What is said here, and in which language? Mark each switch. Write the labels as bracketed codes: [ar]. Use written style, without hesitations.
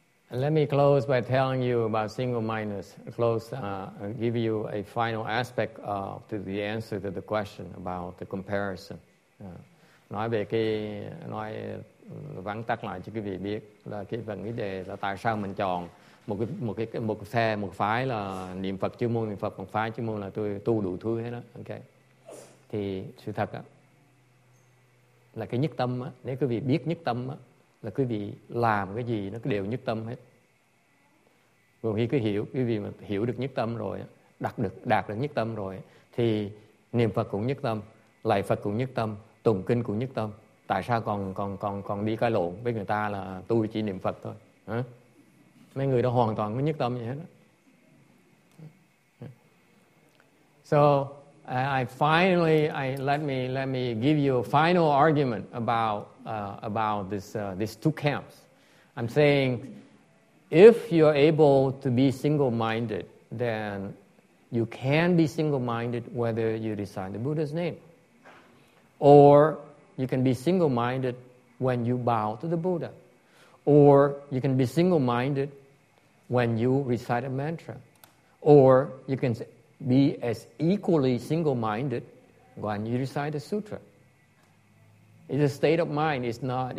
[en] Let me close by telling you about single-mindedness. Give you a final aspect of to the answer to the question about the comparison. [vi] Nói về cái, nói vắn tắt lại cho quý vị biết là cái vấn đề là tại sao mình chọn một phái là niệm Phật chuyên môn, niệm Phật một phái chuyên môn là tôi tu đủ thứ hết đó. Ok, thì sự thật á là cái nhất tâm á, nếu quý vị biết nhất tâm á là quý vị làm cái gì nó đều nhất tâm hết. Còn khi cứ hiểu, quý vị mà hiểu được nhất tâm rồi, đạt được nhất tâm rồi thì niệm Phật cũng nhất tâm, lạy Phật cũng nhất tâm, tụng kinh cũng nhất tâm. Tại sao còn đi cái lộn với người ta là tôi chỉ niệm Phật thôi hả? Mấy người đó hoàn toàn có nhất tâm gì hết. [en] So let me give you a final argument about these two camps. I'm saying if you're able to be single-minded, then you can be single-minded whether you recite the Buddha's name, or you can be single-minded when you bow to the Buddha, or you can be single-minded when you recite a mantra, or you can be as equally single-minded when you recite a sutra. It's a state of mind. It's not.